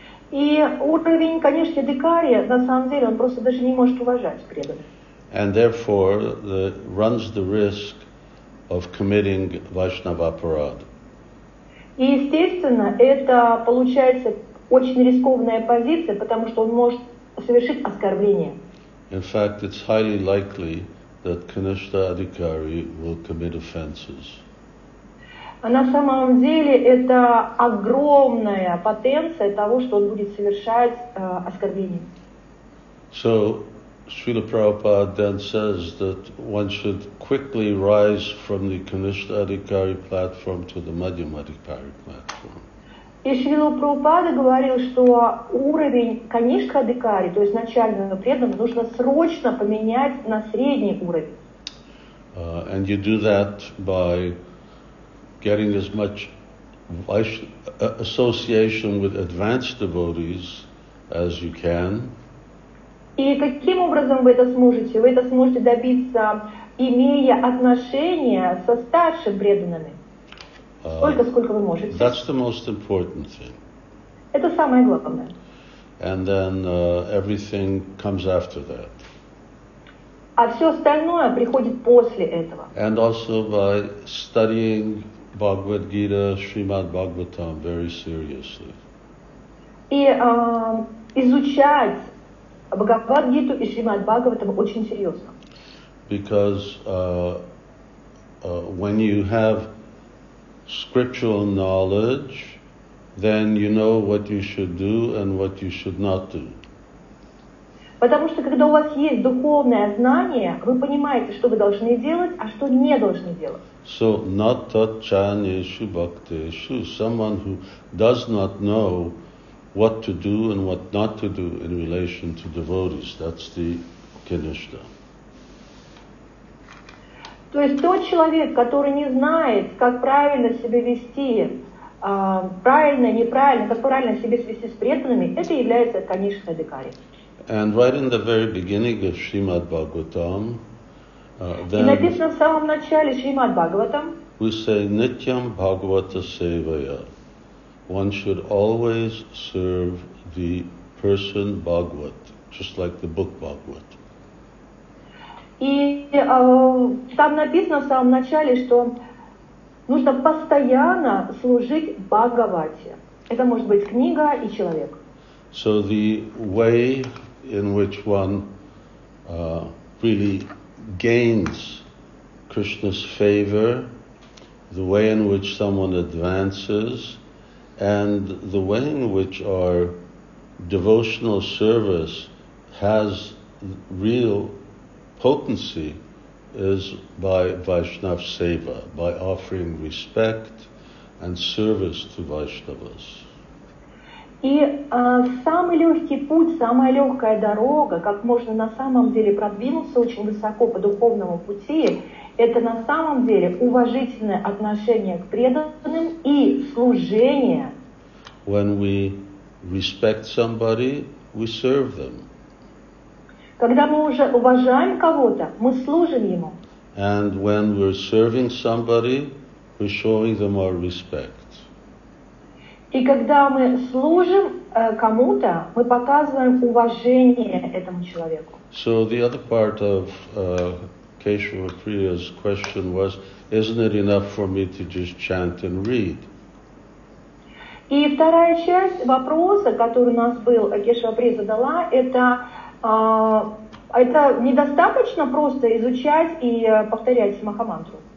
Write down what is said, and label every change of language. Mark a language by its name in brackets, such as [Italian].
[Russian] И уровень конечно адхикари на самом деле он просто даже не может уважать преданных. [English] And therefore, runs the risk of committing vaiṣṇava-sevā. [Russian] И естественно, это получается очень рискованная позиция, потому что он может совершить оскорбление. [English] In fact, it's highly likely that kanishta adhikari will commit offenses. [Russian] На самом деле, это огромная потенция того, что он будет совершать оскорбление. [English] So, Srila Prabhupada then says that one should quickly rise from the kanishta adhikari platform to the madhyamadhikari platform. [Russian] И Шрила Прабхупада говорил, что уровень конишка адхикари, то есть начального преданного, нужно срочно поменять на средний уровень. [English] And you do that by getting as much association with advanced devotees as you can. [Russian] И каким образом вы это сможете? Вы это сможете добиться, имея отношения со старшим преданными. Сколько вы можете. [English] That's the most important thing. [Russian] Это самое главное. [English] And then everything comes after that. [Russian] А все остальное приходит после этого. [English] And also by studying Bhagavad Gita, Srimad Bhagavatam very seriously. [Russian] И изучать Бхагавад Гиту и Шримад Бхагаватам очень серьезно. [English] Because when you have scriptural knowledge, then you know what you should do and what you should not do. [Russian] Потому что когда у вас есть духовное знание, вы понимаете, что вы должны делать, а что не должны делать. [English] So natachanesu bhakteshu, someone who does not know what to do and what not to do in relation to devotees, that's the kanishta. [Russian] То есть тот человек, который не знает, как правильно себя вести, правильно, неправильно, как правильно себя вести с преданными, это является конечно адхикари. [English] And right in the very beginning of Srimad Bhagavatam, then [Russian] и написано в самом начале Srimad Bhagavatam, [English] we say nityam bhagavata sevaya. One should always serve the person Bhagavat, just like the book Bhagavat. [Russian] И там написано в самом начале, что нужно постоянно служить Бхагавате. Это может быть книга и человек. [English] So the way in which one really gains Krishna's favor, the way in which someone advances, and the way in which our devotional service has real potency is by vaiṣṇava-sevā, by offering respect and service to Vaishnavas. [Russian] И самый легкий путь, самая легкая дорога, как можно на самом деле продвинуться очень высоко по духовному пути, это на самом деле уважительное отношение к преданным и служение. [English] When we respect somebody, we serve them. [Russian] Когда мы уже уважаем кого-то, мы служим ему. [English] And when we're serving somebody, we're showing them our respect. [Russian] И когда мы служим кому-то, мы показываем уважение этому человеку. [English] So the other part of Keshava Kriya's question was, isn't it enough for me to just chant and read? [Russian] И вторая часть вопроса, который у нас был, Кешава Прия задала, это недостаточно просто изучать и повторять Самахамантру.